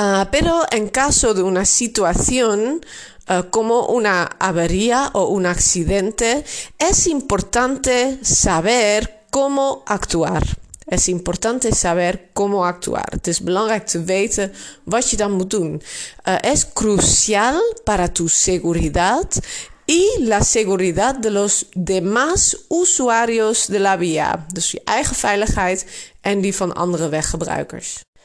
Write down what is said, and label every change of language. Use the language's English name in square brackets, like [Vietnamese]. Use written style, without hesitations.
[Spanish] Pero en caso de una situación como una avería o un accidente, es importante saber cómo actuar. Es importante saber cómo actuar. [Dutch] Het is belangrijk te weten wat je dan moet doen. [Spanish] Es crucial para tu seguridad y la seguridad de los demás usuarios de la vía. [Dutch] Dus je eigen veiligheid en die van andere weggebruikers.